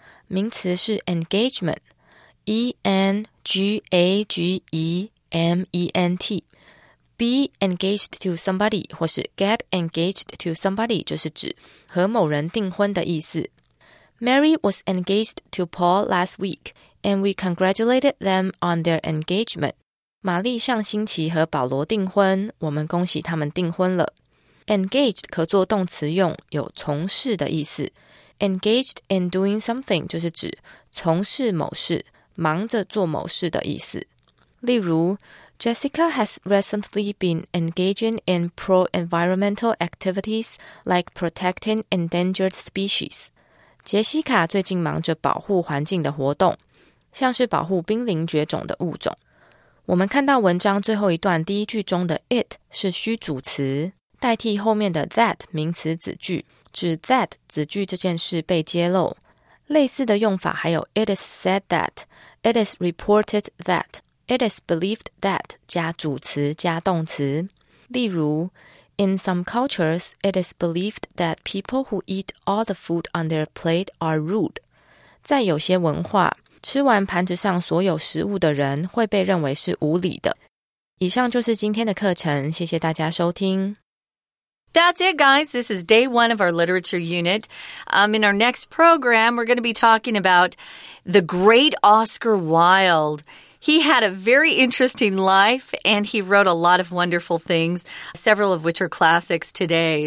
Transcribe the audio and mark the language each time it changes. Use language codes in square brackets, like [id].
[zh] 名词是 engagement, E-N-G-A-G-E-M-E-N-T。 [en] Be engaged to somebody, [zh] 或是 [en] get engaged to somebody, [zh] 就是指和某人订婚的意思。 [en] Mary was engaged to Paul last week, and we congratulated them on their engagement. [zh] 玛丽上星期和保罗订婚，我们恭喜他们订婚了。 Engaged 可做动词用，有从事的意思。 [en] Engaged in doing something [zh] 就是指从事某事，忙着做某事的意思。例如 [en] ,Jessica has recently been engaging in pro-environmental activities like protecting endangered species. [zh] 杰西卡最近忙着保护环境的活动，像是保护濒临绝种的物种。我们看到文章最后一段第一句中的 it 是虚主词，代替后面的 that 名词子句，指 that 子句这件事被揭露。类似的用法还有 [en] it is said that, it is reported that, it is believed that [zh] 加主词加动词。例如 [en] In some cultures, it is believed that people who eat all the food on their plate are rude. [zh] 在有些文化，吃完盘子上所有食物的人会被认为是无礼的。以上就是今天的课程，谢谢大家收听。 [en] That's it, guys. This is day one of our literature unit. In our next program, we're going to be talking about the great Oscar Wilde. He had a very interesting life, and he wrote a lot of wonderful things, several of which are classics today.